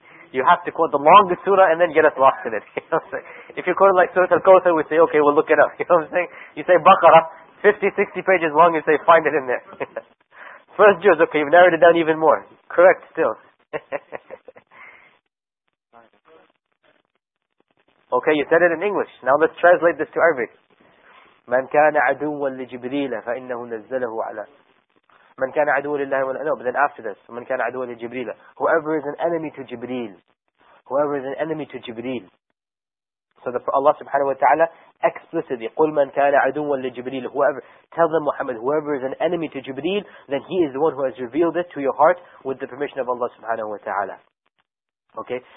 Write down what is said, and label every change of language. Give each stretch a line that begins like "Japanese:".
English: You have to quote the longest surah and then get us lost in it. If you quote it like Surah Al-Kawthar, we say, okay, we'll look it up. You know what I'm saying? You say Baqarah, 50, 60 pages long, you say, find it in there. First Juz, okay, you've narrowed it down even more. Correct, still. Okay, you said it in English. Now let's translate this to Arabic.
Arabic: مَنْ كَانَ عَدُوًا لِجِبْرِيلَ فَإِنَّهُ نَزَّلَهُ عَلَىٰ مَنْ كَانَ عَدُوًا لِلَّهِ وَلَىٰ
English: No, but then after this,
Arabic: مَنْ كَانَ عَدُوًا لِجِبْرِيلَ
English: Whoever is an enemy to Jibreel. Whoever is an enemy to Jibreel. So the Allah subhanahu wa ta'ala explicitly,
Arabic: قُلْ مَنْ كَانَ عَدُوًا لِجِبْرِيلَ
English: Whoever, tell them Muhammad, whoever is an enemy to Jibreel, then he is the one who has revealed it to your heart with the permission of Allah subhanahu wa ta'ala. Okay.